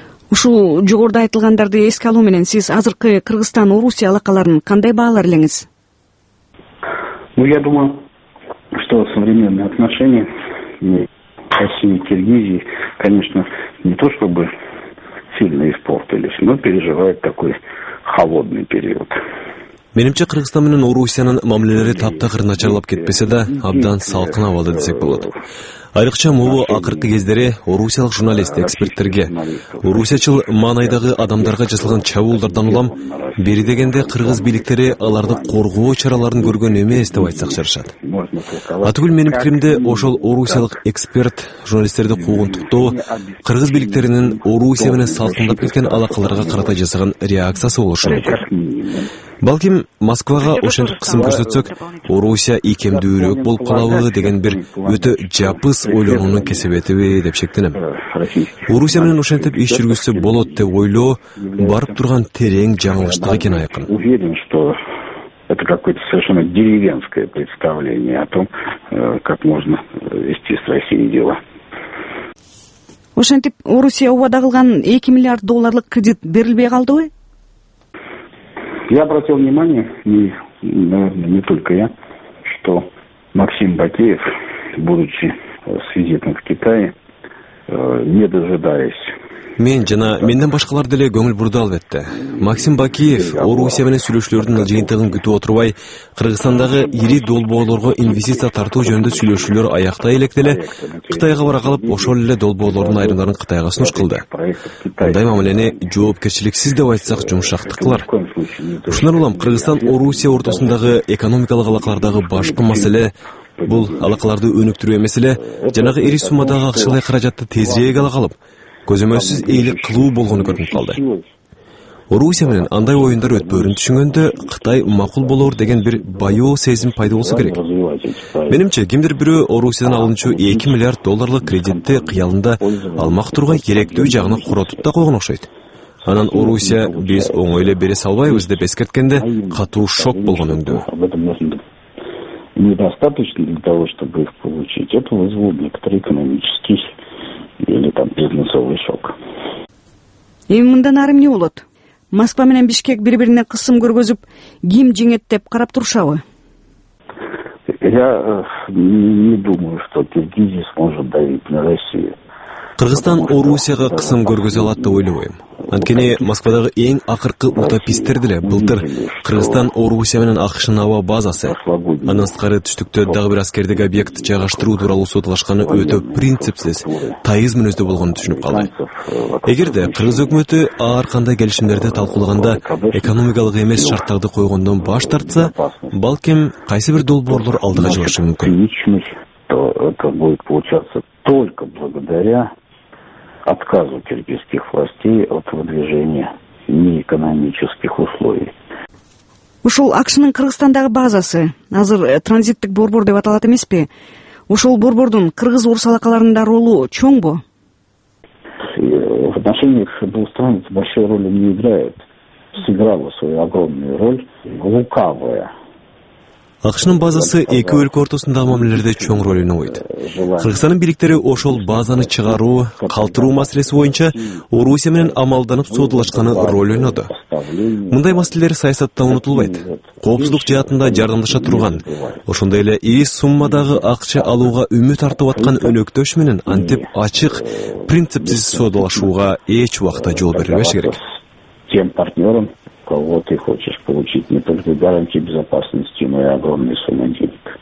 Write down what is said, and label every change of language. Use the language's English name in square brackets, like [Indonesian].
[Kyrgyz] Ушул жогоруда айтылгандарды эске алуу менен сиз азыркы Кыргызстан Орусия алакаларын кандай баалар элеңиз? [Russian] Ну, я думаю, что современные отношения России и Киргизии, конечно, не то чтобы сильно испортились, но переживают такой холодный период. [Kyrgyz] Менимче Кыргызстан менен Орусиянын мамилелери таптакыр начарлап кетпесе да, абдан салкын абалда десек болот. Айрыкча могу акыркы кездери орусиялык журналист эксперттерге орусиячыл маанайдагы адамдарга жасалган чабуулдардан улам бери дегенде кыргыз бийликтери аларды коргоо чараларын көргөн эмес деп айтсак жарашат. Атүгүл менин пикиримде ошол орусиялык эксперт журналисттерди куугунтуктоо кыргыз бийликтеринин Орусия менен салкындап кеткен алакаларга карата жасаган реакциясы болушу мүмкүн. Балким Москвага ошентип кысым көрсөтсөк, Орусия ийкемдүүрөөк болуп калабы деген бир өтө жапыз ойлонуунун кесепетиби деп шектенем. Орусия менен ошентип иш жүргүзсө болот деп ойлоо барып турган терең жаңылыштык экени айкын. [Russian] Уверен, что это какое-то совершенно деревенское представление о том, как можно вести с Россией дела. [Kyrgyz] Ошентип Орусия убада кылган 2 миллиард долларлык кредит берилбей калдыбы? [Russian] Я обратил внимание, и, наверное, не только я, что Максим Бакеев, будучи с визитом в Китае, не дожидаясь... [Kyrgyz] Мен жана менден башкалар деле көңүл бурду албетте. Максим Бакеев Орусия менен сүйлөшүүлөрдүн жыйынтыгын күтүп отурбай, Кыргызстандагы ири долбоолорго инвестиция тартуу жөнүндө сүйлөшүүлөр аяктай электе эле Кытайга бара калып, ошол эле долбоолордун айрымдарын Кытайга сунуш кылды. Мындай мамилени жоопкерчиликсиз деп айтсак жумшактыкылар. Ушундан улам Кыргызстан Орусия ортосундагы экономикалык алакалардагы башкы маселе бул алакаларды өнүктүрүү эмес эле жанагы ири суммадагы акчалай каражатты тезирээк ала калып көзөмөлсүз ээлик кылуу болгону көрүнүп калды. Орусия менен андай оюндар өтпөөрүн түшүнгөндө Кытай макул болор деген бир баюу сезим пайда болсо керек. Менимче кимдир бирөө Орусиядан алынчу 2 миллиард долларлык кредитти кыялында алмак турган керектүү жагына куротуп да койгон окшойт. Анан Орусия биз оңой эле бере салбайбыз деп эскерткенде катуу шок болгон өндүү. [Russian] Недостаточно для того, чтобы их получить. Это вызвало некоторый экономический или там бизнесовый шок. [Kyrgyz] Эми мындан ары эмне болот? Москва менен Бишкек бири-бирине кысым көргөзүп, ким жеңет деп карап турушабы? [Russian] Я не думаю, что Киргизия сможет давить на Россию. [Kyrgyz] Кыргызстан Орусияга кысым көргөзө алат деп ойлобойм. Анткени Москвадагы эң акыркы утописттер деле былтыр Кыргызстан Орусия менен АКШнын аба базасы, анан сыркары түштүктө дагы бир аскердик объект жайгаштыруу тууралуу соттолушканы өтө принципсиз, тайыз мүнөздүү болгонун түшүнүп калды. Эгерде кыргыз өкмөтү ар кандай келишимдерди талкуулаганда экономикалык эмес шарттарды койгондон баш тартса, балким кайсы бир долбоорлор алдыга жылышы мүмкүн. [Russian] Только благодаря отказу киргизских властей от выдвижения неэкономических условий. [Kyrgyz] Ушул АКШнын Кыргызстандагы базасы азыр транзиттик борбор деп аталат эмеспи? Ушул борбордун кыргыз-орус алакаларында ролу чоңбу? [Russian] В отношениях двух стран большой роли не играет. Сыграла свою огромную роль лукавая. [Kyrgyz] Акшнын базасы эки өлкө ортосундагы мамилелерде чоң роль ойнойт. Кыргызстандын бириктери ошол базаны чыгаруу, калтыруу маселеси боюнча Орусия менен амалданып соодалашканы роль ойноду. Мындай маселелер саясатта унутулбайт. Коопсуздук жаатында жардамдаша турган, ошондой эле ири суммадагы акча алууга үмүт артып аткан өнөктөш менен антип ачык, принципсиз соодалашууга эч убакта жол берилбеш керек. [Russian] Тем партнёром, кого ты хочешь получить не только гарантии безопасности, но и огромные суммы денег.